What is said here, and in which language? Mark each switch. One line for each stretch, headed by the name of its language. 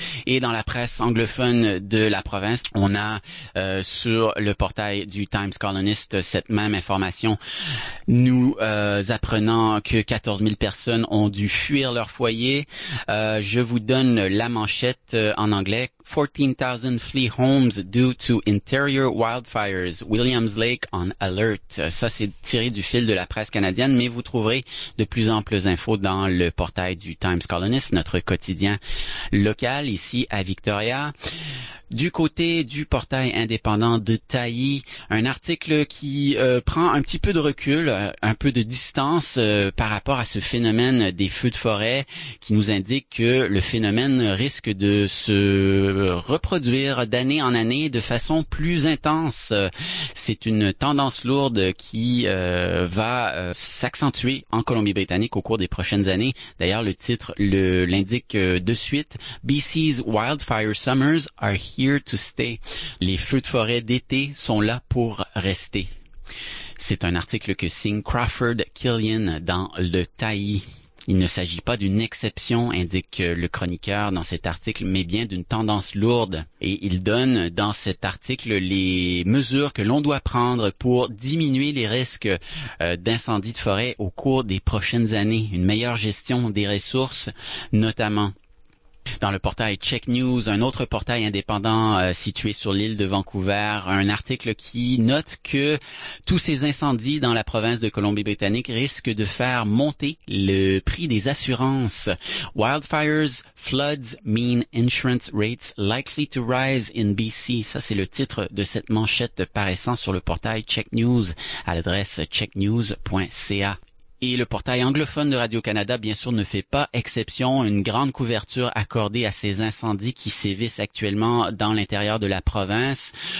French: Et dans la presse anglophone de la province, on a sur le portail du Times Colonist cette même information. Nous apprenons que 14 000 personnes ont dû fuir leur foyer. Je vous donne la manchette en anglais.
English: 14,000 flee homes due to interior wildfires. Williams Lake on alert.
French: Ça, c'est tiré du fil de la presse canadienne, mais vous trouverez de plus en plus d'infos dans le portail du Times Colonist, notre quotidien local ici à Victoria. Du côté du portail indépendant de Taï, un article qui prend un petit peu de recul, un peu de distance par rapport à ce phénomène des feux de forêt qui nous indique que le phénomène risque de se reproduire d'année en année de façon plus intense. C'est une tendance lourde qui va s'accentuer en Colombie-Britannique au cours des prochaines années. D'ailleurs, le titre l'indique de suite.
English: BC's wildfire summers are here. Here to stay.
French: Les feux de forêt d'été sont là pour rester. C'est un article que signe Crawford Killian dans le Taï. Il ne s'agit pas d'une exception, indique le chroniqueur dans cet article, mais bien d'une tendance lourde. Et il donne dans cet article les mesures que l'on doit prendre pour diminuer les risques d'incendies de forêt au cours des prochaines années. Une meilleure gestion des ressources, notamment. Dans le portail Check News, un autre portail indépendant situé sur l'île de Vancouver, un article qui note que tous ces incendies dans la province de Colombie-Britannique risquent de faire monter le prix des assurances.
English: Wildfires, floods mean insurance rates likely to rise in BC.
French: Ça, c'est le titre de cette manchette paraissant sur le portail Check News à l'adresse checknews.ca. Et le portail anglophone de Radio-Canada, bien sûr, ne fait pas exception. Une grande couverture accordée à ces incendies qui sévissent actuellement dans l'intérieur de la province.